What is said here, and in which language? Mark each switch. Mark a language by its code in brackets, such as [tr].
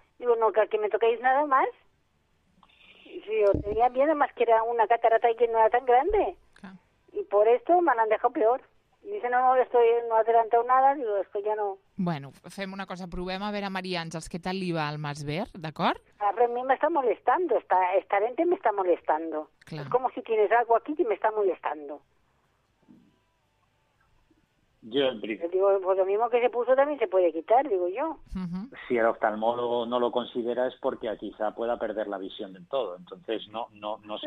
[es] Digo, no, que aquí me toquéis nada más. Si yo tenía bien, además que era una catarata y que no era tan grande. Y por esto me han dejado peor. Dice, no, estoy, no ha adelantado nada, digo, es que ya no... [ca] Bueno, fem una cosa, provem a veure a Maria Àngels què tal li va al mas ver, d'acord? [es] A mi m'està molestando, esta lente me está molestando. [ca] Clar. [es] Es como si tienes algo aquí que me está molestando. Yo, en principio... Digo, pues lo mismo que se puso también se puede quitar, digo yo. Uh-huh. Si el oftalmólogo no lo considera es porque quizá pueda perder la visión del todo, entonces no sé.